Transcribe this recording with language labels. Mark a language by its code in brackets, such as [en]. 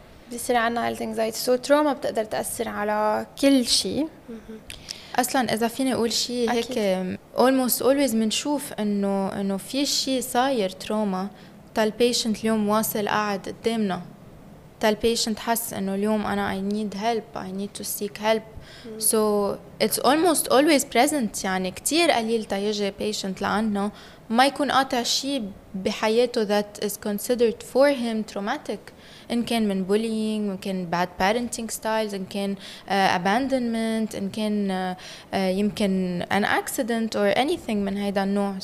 [ar] بيصير عنا هيلث انكزايتي. سو التروما بتقدر تأثر على كل شيء. اصلا اذا فيني اقول شيء هيك [en] almost always [ar] منشوف أنه في شيء صاير تروما. تال بيشنت اليوم واصل قاعد قدامنا، تال بيشنت حس انه اليوم انا [en] I need to seek help. So it's almost always present. [ar] يعني كتير قليل تيجي بيشنت لعنا ما يكون قاطع شيء بحياته [en] that is considered for him traumatic. [ar] إن كان من bullying، إن كان [en] bad parenting styles، [ar] إن كان abandonment، إن كان يمكن [en] an accident or anything [ar] من هيدا النوع.